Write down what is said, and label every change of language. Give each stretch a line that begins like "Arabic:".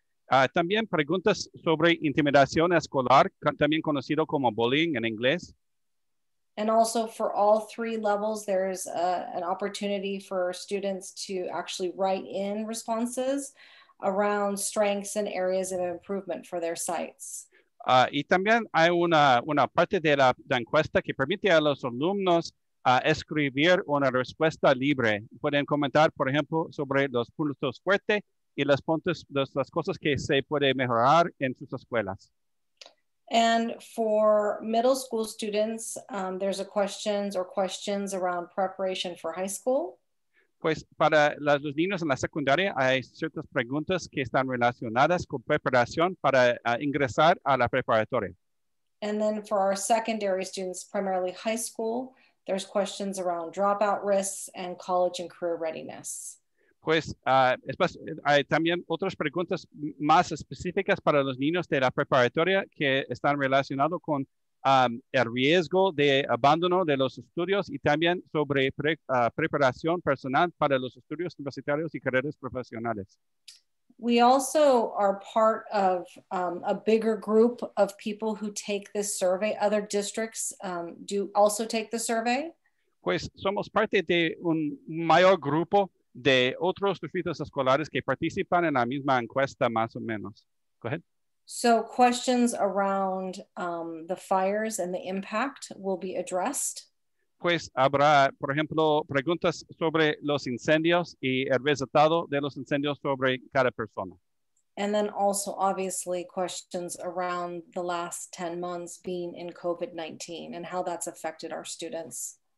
Spanish: También preguntas sobre intimidación escolar, también conocido como bullying en inglés.
English: And also for all three levels, there's an opportunity for students to actually write in responses around strengths and areas of improvement for their sites.
Spanish: Y también hay una parte de la encuesta que permite a los alumnos escribir una respuesta libre. Pueden comentar, por ejemplo, sobre los puntos fuertes y los puntos, las cosas que se puede mejorar en sus escuelas.
English: And for middle school students, there's a questions around preparation for high school.
Spanish: Pues para los niños en la secundaria hay ciertas preguntas que están relacionadas con preparación para ingresar a la preparatoria.
English: And then for our secondary students, primarily high school, there's questions around dropout risks and college and career readiness.
Spanish: Pues hay también otras preguntas más específicas para los niños de la preparatoria que están relacionados con el riesgo de abandono de los estudios y también sobre preparación personal para los estudios universitarios y carreras profesionales.
English: We also are part of a bigger group of people who take this survey. Other districts do also take the survey.
Spanish: Pues somos parte de un mayor grupo de otros distritos escolares que participan en la misma encuesta, más o menos.
English: Go ahead. So questions around the fires and the impact will be addressed.
Spanish: Pues habrá, por ejemplo, preguntas sobre los incendios y el resultado de los incendios sobre cada persona.
English: And then also, obviously, questions around the last 10 months being in COVID-19 and how that's affected our students.